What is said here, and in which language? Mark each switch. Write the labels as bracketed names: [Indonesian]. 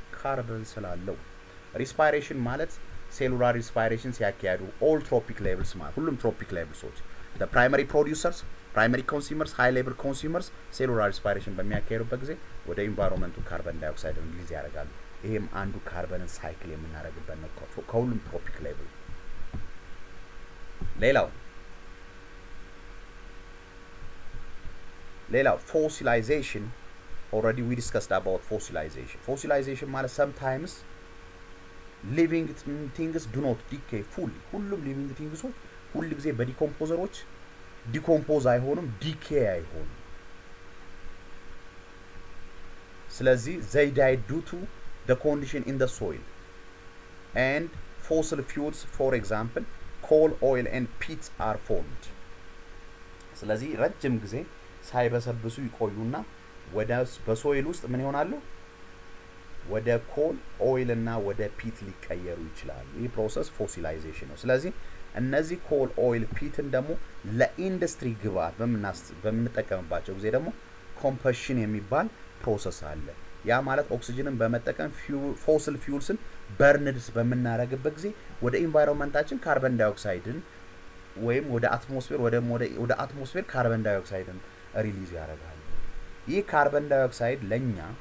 [Amharic] ካርበን ስላለው። ሪስፓይሬሽን ማለት ሴሉላር ሪስፓይሬሽን ሲያካሂዱ ኦል ትሮፒክ ሌቭልስ ማለት ሁሉም ትሮፒክ ሌቭልስ ዘ ፕራይመሪ ፕሮዲዩሰርስ ፕራይመሪ ኮንሱመርስ ሃይ ሌቨል ኮንሱመርስ ሴሉላር ሪስፓይሬሽን በሚያካሂዱበት ጊዜ ወደ ኢንቫይሮንመንቱ ካርበን ዳይኦክሳይድን ሪሊዝ ያደርጋሉ። ይሄም አንዱ ካርበንን ሳይክል የምናረግበት ነው ኮፎ ከሁሉም ትሮፒክ ሌቭል። ሌላው ፎሲላይዜሽን [English] already we discussed about fossilization. Fossilization means sometimes living things do not decay fully. [Amharic] ሁሉም [English] living things [Amharic] ሁሉ ጊዜ በዲኮምፖዘሮች ዲኮምፖዝ አይሆኑም [English] decay [Amharic] አይሆኑም። ስለዚህ [English] they die due to the condition in the soil. And fossil fuels for example coal, oil and peat are formed. [Amharic] ስለዚህ ረጅም ጊዜ ሳይበሰብሱ ይቆዩና ወደስ በሶይል ውስጥ ምን ይሆናሉ? ወደ ኮል ኦይል እና ወደ ፒት ሊቀየሩ ይችላሉ። ይሄ ፕሮሰስ ፎሲላይዜሽን ነው። ስለዚህ እነዚህ ኮል ኦይል ፒትን ደግሞ ለኢንዱስትሪ ግብአት በምንጠቀምባቸው ጊዜ ደግሞ ኮምፐሽን የሚባል ፕሮሰስ አለ። ያ ማለት ኦክሲጅንን በመጠቀም ፎሲል ፊውልስን በርንድስ በመናረግበት ጊዜ ወደ ኢንቫይሮንመንታችን ካርበን ዳይኦክሳይድን ወይም ወደ አትሞስፌር ካርበን ዳይኦክሳይድን ሪሊዝ ያደርጋል። ይህ ካርበን ዳይኦክሳይድ ለኛ